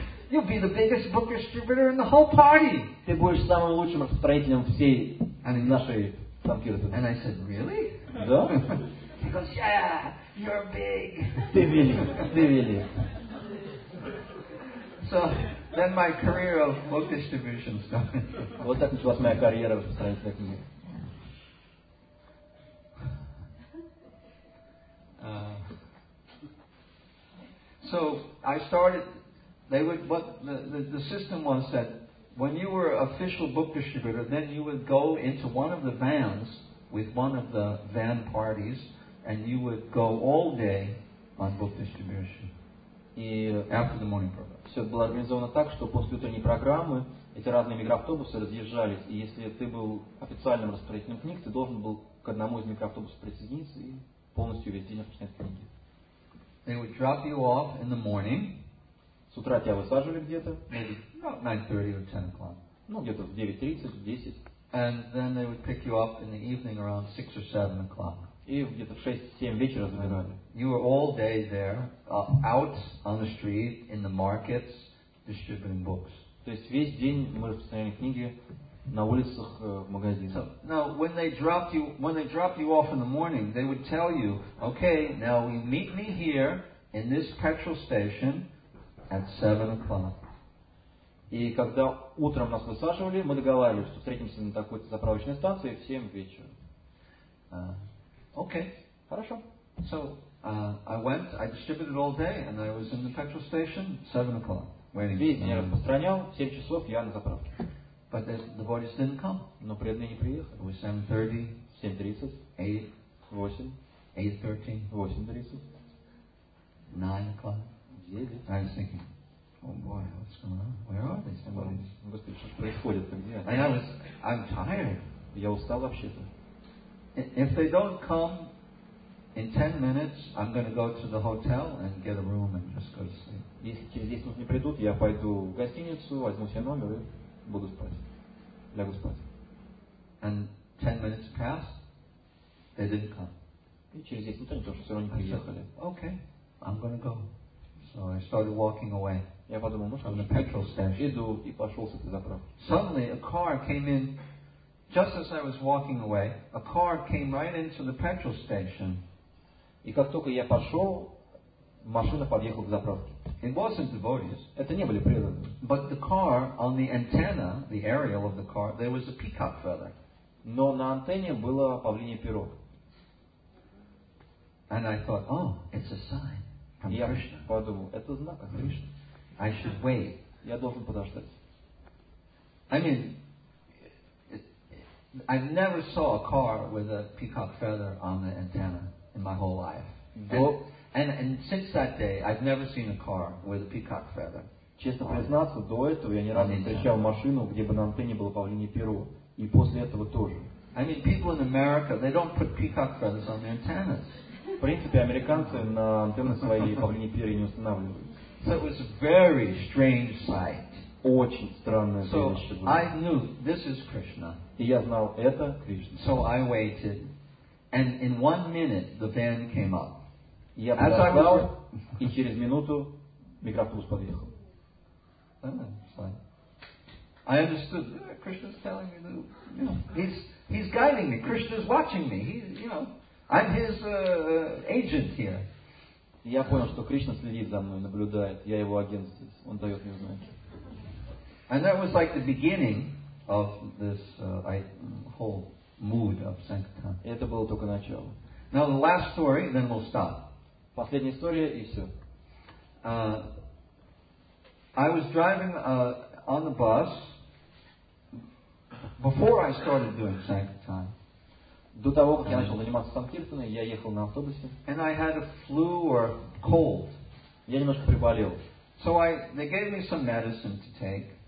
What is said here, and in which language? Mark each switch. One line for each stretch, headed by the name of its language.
English: You'll be the biggest book distributor in the whole party.
Russian: Ты будешь самым лучшим распространителем всей нашей танкирты.
English: And I said, "Really?"
Russian: Да.
English: He goes, "Yeah, you're big."
Russian: Ты велик.
English: So. Then my career of book distribution started.
Russian: Вот так началась моя карьера в стране книг.
English: So I started. They would. But the system was that when you were official book distributor, then you would go into one of the vans with one of the van parties, and you would go all day on book distribution.
Russian: И
English: after the morning program.
Russian: Все было организовано так, что после утренней программы эти разные микроавтобусы разъезжались, и если ты был официальным распространителем книг, ты должен был к одному из микроавтобусов присоединиться и полностью весь день распространять книги.
English: They would drop you off in the morning.
Russian: С утра тебя высаживали где-то.
English: Maybe about 9:30 or 10 o'clock.
Russian: Ну, где-то в 9:30, 10.
English: And then they would pick you up in the evening around 6 or 7 o'clock.
Russian: И где-то в 6-7 вечера забирали.
English: You were all day there, out on the street, in the markets, distributing books.
Russian: То есть весь день мы распространяли книги на улицах, в магазинах.
English: So, now, when they dropped you off in the morning, they would tell you, okay, now we meet me here in this petrol station at 7 o'clock.
Russian: И когда утром нас высаживали, мы договаривались, что встретимся на такой-то заправочной станции в 7 вечера.
English: Okay.
Russian: Хорошо.
English: So, I went, I distributed all day, and I was in the petrol station at 7 o'clock.
Russian: Весь день распространял, 7 часов я на заправке.
English: But the bodies didn't come.
Russian: Но преданные не приехали.
English: It was 7:30.
Russian: 7:30.
English: 8. 8:13. 8:30. 9 o'clock.
Russian: 9.
English: I was thinking, oh boy, what's going on? Where are they? Somebody's...
Russian: Господи, что происходит? Где?
English: I'm tired.
Russian: Я устал вообще-то.
English: If they don't come in 10 minutes, I'm going to go to the hotel and get a room and just go to sleep.
Russian: Если через 10 минут не придут, я пойду в гостиницу, возьму себе номер и буду спать. Лягу спать.
English: And 10 minutes passed, they didn't come.
Russian: И через 10 минут они тоже все равно не приехали.
English: I said, okay, I'm going to go. So I started walking away.
Russian: Я подумал, ну что,
English: from the petrol station.
Russian: Иду и пошел с этой заправки.
English: Suddenly a car came in, just as I was walking away, a car came right into the petrol station.
Russian: И как только я пошел, машина подъехала к заправке.
English: It wasn't devotees.
Russian: Это не были преданные.
English: But the car, on the antenna, the aerial of the car, there was a peacock feather.
Russian: Но на антенне было павлинье перо.
English: And I thought, oh, it's a sign from
Russian: я
English: Krishna.
Russian: Я подумал, это знак от Кришны.
English: I should wait.
Russian: Я должен подождать.
English: I mean, I never saw a car with a peacock feather on the antenna in my whole life. And since that day, I've never seen a car with a peacock feather.
Russian: Честно признаться, до этого я ни разу не встречал машину, где бы на антенне было павлинье перо. И после этого тоже.
English: I mean, people in America, they don't put peacock feathers on their antennas.
Russian: В принципе, американцы на антенны свои павлинье перья не устанавливают.
English: So it was a very strange sight.
Russian: Очень странное зрелище было.
English: So I knew this is Krishna.
Russian: И я знал, это Кришна.
English: So I waited, and in 1 minute the van came up.
Russian: Я подождал, и через минуту микроавтобус подъехал.
English: I understood. Krishna's telling me, you know, he's guiding me. Krishna's watching me. I'm his agent here.
Russian: Я понял, что Кришна следит за мной, наблюдает. Я его агент здесь. Он дает мне знаки.
English: And that was like the beginning of this whole mood of sankirtan.
Russian: Это было только начало.
English: Now the last story, then we'll stop.
Russian: Последняя история и все.
English: I was driving on the bus before I started doing sankirtan.
Russian: До того, как я начал заниматься санкиртаной, я ехал на автобусе.
English: And I had a flu or cold.
Russian: Я немножко приболел.
English: So they gave me some medicine to take.